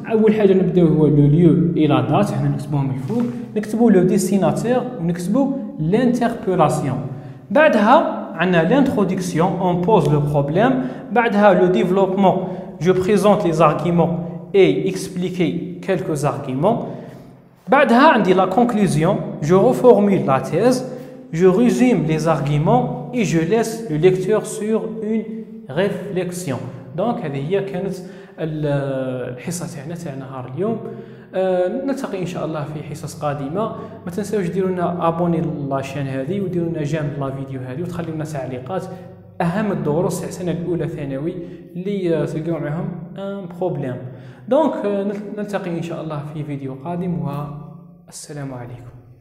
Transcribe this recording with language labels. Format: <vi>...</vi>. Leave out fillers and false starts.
<ar>اول حاجه نبداو هو لو ليو اي لا دات، هنا نكتبوها من الفوق، نكتبو لو ديستيناتير ونكتبو لانتربولاسيون. بعدها عندنا لانتروديكسيون، اون بوز لو بروبليم. بعدها لو ديفلوبمون، جو بريزونت لي زارغيمون</ar> <fr>et expliquer quelques arguments.</fr> <ar>بعدها عندي</ar> <fr>la conclusion, je reformule la thèse, je résume les arguments et je laisse le lecteur sur une réflexion.</fr> <ar>Donc هذه هي كانت الحصة تاعنا تاع نهار اليوم. نلتقي ان شاء الله في حصص قادمة. ما تنساوش ديروا لنا ابوني لاشين هذه، وديروا لنا جيم لا فيديو هذه، وتخلي لنا تعليقات. اهم الدروس تاع السنه الاولى ثانوي اللي تلقاو معاهم ان بروبليم. دونك نلتقي ان شاء الله في فيديو قادم، والسلام عليكم.</ar>